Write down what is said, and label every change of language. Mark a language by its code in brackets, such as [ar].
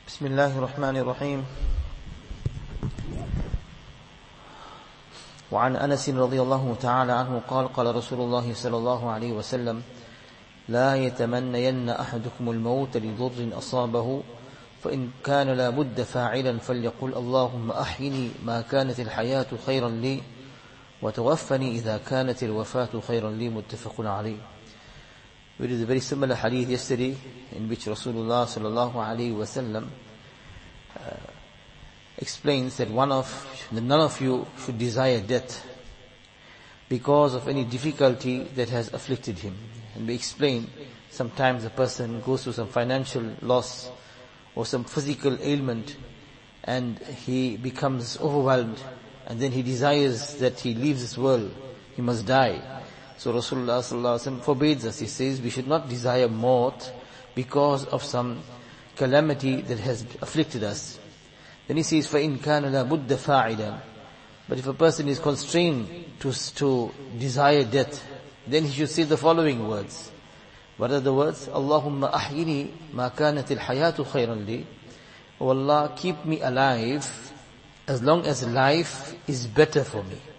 [ar] بسم الله الرحمن الرحيم وعن أنس رضي الله تعالى عنه قال قال رسول الله صلى الله عليه وسلم لا يتمنين أحدكم الموت لضر أصابه فإن كان لابد فاعلا فليقل اللهم أحيني ما كانت الحياة خيرا لي وتوفني إذا كانت الوفاة خيرا لي متفق عليه. [en] It is a very similar hadith yesterday in which Rasulullah sallallahu alayhi wa sallam explains that none of you should desire death because of any difficulty that has afflicted him. And we explain sometimes a person goes through some financial loss or some physical ailment and he becomes overwhelmed and then he desires that he leaves this world, he must die. So Rasulullah sallallahu alaihi wasallam forbids us. He says we should not desire mort because of some calamity that has afflicted us. Then he says, [ar] فَإِنْ كَانَ لَابُدَّ فَاعِلًا. [en] But if a person is constrained to desire death, then he should say the following words. What are the words? [ar] اللَّهُمَّ أَحْيِنِي مَا كَانَتِ الْحَيَاةُ خَيْرًا لِي. [en] O Allah, keep me alive as long as life is better for me.